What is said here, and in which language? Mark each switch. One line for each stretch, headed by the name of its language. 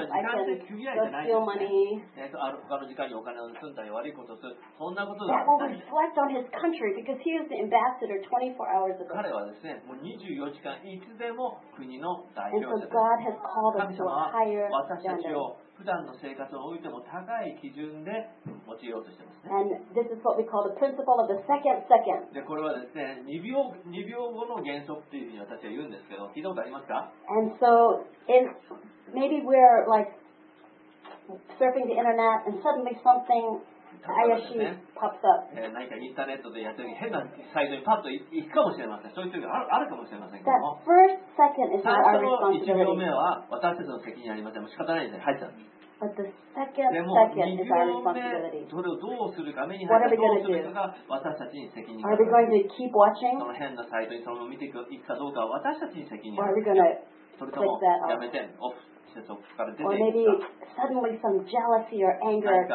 English: I can go steal money. That will reflect on his country because he is the ambassador 24 hours a day. And so God has called us to a higher standard.
Japanese: 普段の生活においても高い基準で用いようとしてますね。
English: And this is what we call the principle of the second second.
Japanese: で、これはですね、2秒後の原則というふうに私は言うんですけど、聞いたことありますか？
English: And so, if maybe we're like surfing the internet and suddenly something怪しい pops up.
Japanese: 何かインターネットでやってる変なサイトにパッと行くかもしれません。そういう時があるかもしれませんけども。
English: That first second is not our responsibility.
Japanese: 最初の1秒目は私たちの責任ありません。もう仕方ないですね。入ったんです。
English: But the second second is our responsibility.
Japanese: それをどうするか、目に入ったらどうするかが私たちに責任がある。
English: Are we going to keep watching?
Japanese: その変なサイトにそのまま見ていくかどうかは私たちに責任がある。
English: Are we going to click that off?
Japanese: それともやめて、オフ。
English: Or maybe suddenly some jealousy or anger